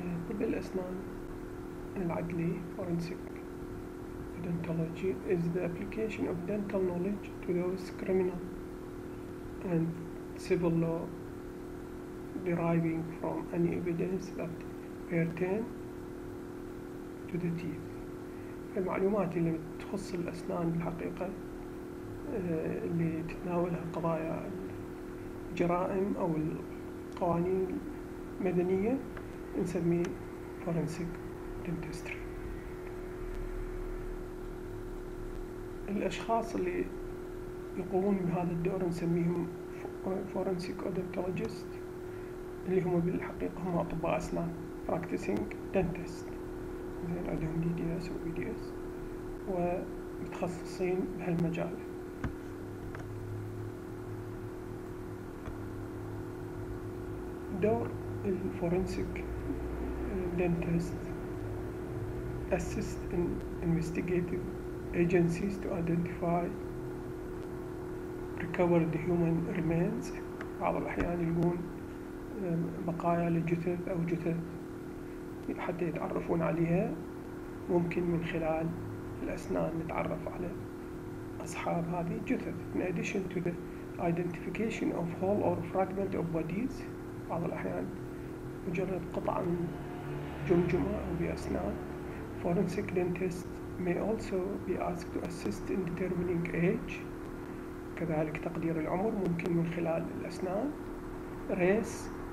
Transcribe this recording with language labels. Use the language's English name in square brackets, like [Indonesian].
[Arabic] طب الأسنان العدلي [English] Forensic Dentology is the application of dental knowledge to those criminal and civil law deriving from any evidence that pertain to the teeth. [Arabic] المعلومات اللي تخص الأسنان الحقيقة اللي تتناولها قضايا الجرائم أو القوانين المدنية نسميه Forensic Dentistry. الأشخاص اللي يقومون بهذا الدور نسميهم Forensic Odontologist اللي هم بالحقيقة هم أطباء أسنان Practicing Dentist، زين عندهم DDS و BDS ومتخصصين بهالمجال. دور الفورنسيك [English] Dentist assist in investigative agencies to identify recover the human remains. [Arabic] بعض الأحيان يلقون بقايا لجثث أو جثث حتى يتعرفون عليها، ممكن من خلال الأسنان نتعرف على أصحاب هذه الجثث. [English] In addition to the identification of whole or fragment of bodies، [Arabic] بعض الأحيان مجرد قطعة من جمجمة أو بأسنان، [English] forensic dentist may also be asked to assist in determining age، [Arabic] كذلك تقدير العمر ممكن من خلال الأسنان، [English] race